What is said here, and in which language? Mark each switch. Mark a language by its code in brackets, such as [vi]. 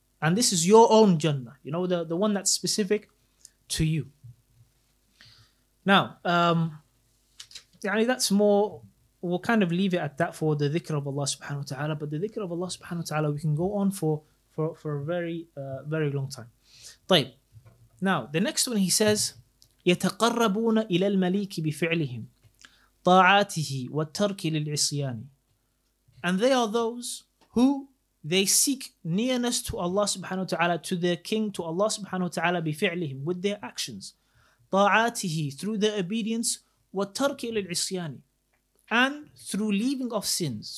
[en] And this is your own Jannah, you know, the one that's specific to you. Now, that's more, we'll kind of leave it at that for the dhikr of Allah subhanahu wa ta'ala. But the dhikr of Allah subhanahu wa ta'ala, we can go on for a very, very long time. [ar] طيب. [en] Now, the next one he says, [ar] يَتَقَرَّبُونَ إِلَى الْمَلِيكِ بِفِعْلِهِمْ طَاعَاتِهِ وَالتَّرْكِ لِلْعِصِيَانِ. [en] And they are those who they seek nearness to Allah subhanahu wa ta'ala, to their king, to Allah subhanahu wa ta'ala, [ar] بِفِعْلِهِمْ, [en] with their actions. [ar] طَاعَاتِهِ, [en] through their obedience, [ar] وَالتَّرْكِ لِلْعِصِيَانِ, [en] and through leaving of sins.